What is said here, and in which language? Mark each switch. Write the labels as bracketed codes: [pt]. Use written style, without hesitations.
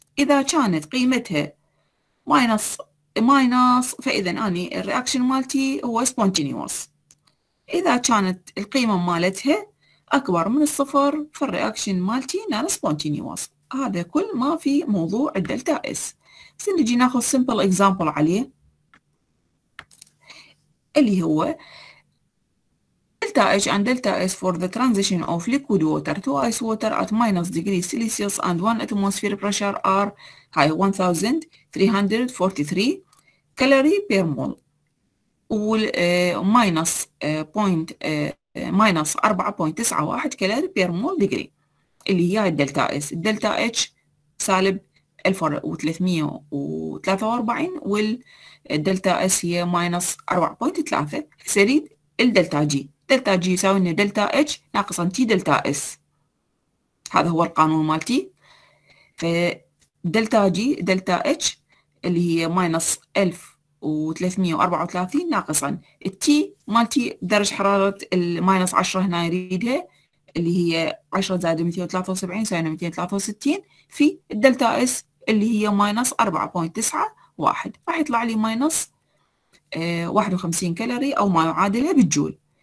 [ar] اذا كانت قيمتها ماينس فاذا اني الرياكشن مالتي هو سبونتينيوس، اذا كانت القيمه مالتها اكبر من الصفر فالرياكشن مالتي نان سبونتينيوس. هذا كل ما في موضوع الدلتا اس. بس نجي ناخذ سمبل اكزامبل عليه اللي هو [en] delta H and delta S for the transition of liquid water to ice water at minus degree Celsius and 1 atmosphere pressure are 1343 calorie per mole minus, point, minus 4.91 calorie per mole degree [ar] اللي هي [en] delta S. [ar] delta H سالب 1343 والdelta S هي minus 4.3. سريد الدلتا جي، دلتا جي يساوي لنا دلتا اتش ناقصا تي دلتا اس، هذا هو القانون مالتي. فدلتا جي دلتا اتش اللي هي ماينس 1334 ناقصا التي مالتي درجة حرارة الماينس 10 هنا يريدها اللي هي 10 زائد 273 يساوي 263 في الدلتا اس اللي هي ماينس 4.91، راح يطلع لي ماينس 51 كالوري او ما يعادلها بالجول.